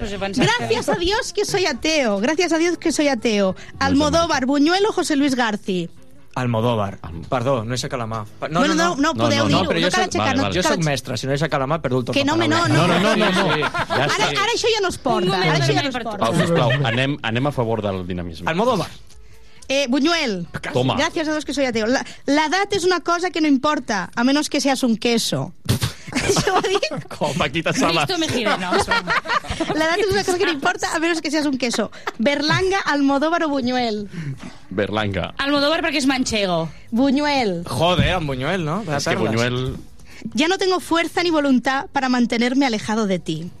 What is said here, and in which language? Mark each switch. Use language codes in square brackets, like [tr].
[es] Gracias a Dios que soy ateo. Gracias a Dios que soy ateo. Almodóvar, Buñuel o José Luis García. [ca] Almodóvar. Perdó, no és a Calamà. No, podeu dir-ho, no cal aixecar. Jo soc mestre, si no és a Calamà, perdo el toc. Que no. Ara això ja no es porta. Sisplau, anem a favor del dinamisme. Almodóvar. Buñuel, [es] toma. Gracias a Dios que soy ateo. [ca] L'edat és una cosa que no importa, [es] a menos que seas un queso. [ca] Això ho dic. Com, Paquita Salas. [es] Cristo me gire, no. [ca] L'edat és una cosa que m'importa, a menys que [es] seas un queso. [ca] Berlanga, Almodóvar o Buñuel. Berlanga. Almodóvar perquè és manchego. Buñuel. Joder, amb Buñuel, no? És que Buñuel... [es] Ya no tengo fuerza ni voluntad para mantenerme alejado de ti.